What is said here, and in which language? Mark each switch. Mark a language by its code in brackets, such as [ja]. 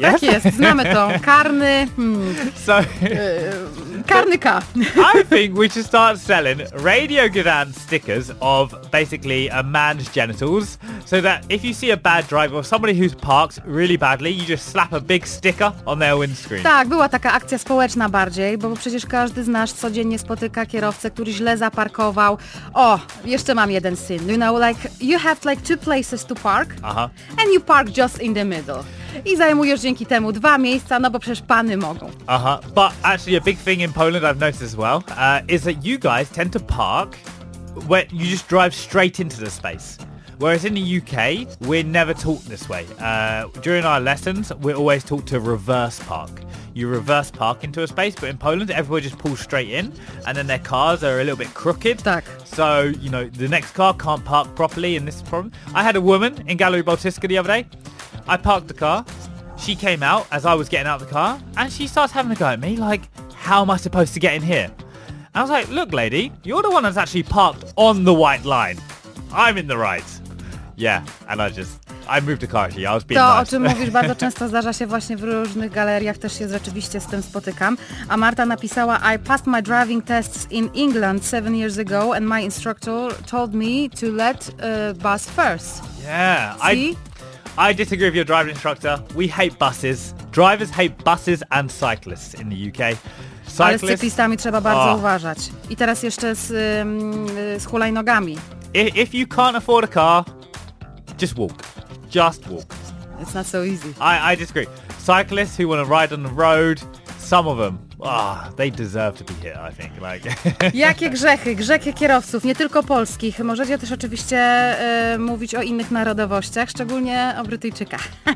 [pl] Tak jest, znamy to. Karny... Karnyka. [en] I think we should start selling Radio Gdańsk stickers of basically a man's genitals so that if you see a bad driver or somebody who's parked really badly, you just slap a big sticker on their windscreen. [pl] Tak, była taka akcja społeczna bardziej, bo przecież każdy z nas codziennie spotyka kierowcę, który źle zaparkował. O, jeszcze mam jeden syn. [en] You know, like, you have like two places to park and you park just in the middle. [pl] I zajmujesz dzięki temu dwa miejsca, no bo przecież pany mogą. [en] Aha, but actually a big thing in Poland I've noticed as well is that you guys tend to park where you just drive straight into the space. Whereas in the UK, we're never taught this way. During our lessons, we're always taught to reverse park. You reverse park into a space, but in Poland, everybody just pulls straight in and then their cars are a little bit crooked. [pl] Tak. [en] So, you know, the next car can't park properly and this is a problem. I had a woman in Galeria Bałtycka the other day. I parked the car, she came out as I was getting out of the car, and she starts having a go at me, like, how am I supposed to get in here? And I was like, look, lady, you're the one that's actually parked on the white line. I'm in the right. Yeah, and I moved the car, actually. I was being [pl] to, [en] nice. [pl] To, o czym mówisz, bardzo często zdarza się właśnie w różnych galeriach, też się rzeczywiście z tym spotykam. A Marta napisała, [en] I passed my driving tests in England 7 years ago, and my instructor told me to let bus first. Yeah. I disagree with your driving instructor. We hate buses. Drivers hate buses and cyclists in the UK. [pl] Cyclists, ale z cyklistami trzeba bardzo uważać. I teraz jeszcze z hulajnogami. [en] If you can't afford a car, just walk. Just walk. It's not so easy. I disagree. Cyclists who want to ride on the road, some of them. Oh, they deserve to be here, I think. Like. [pl] Jakie grzechy? Grzechy kierowców, nie tylko polskich. Możecie też oczywiście mówić o innych narodowościach, szczególnie o Brytyjczykach.